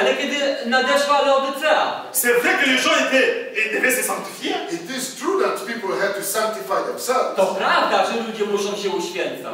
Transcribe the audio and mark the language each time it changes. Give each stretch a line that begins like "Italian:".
Polish: ale kiedy nadeszła Laodicea,
French: c'est vrai que les gens devaient se sanctifier.
English: It is true that people had to sanctify themselves.
Polish: To prawda, że ludzie muszą się uświęcać.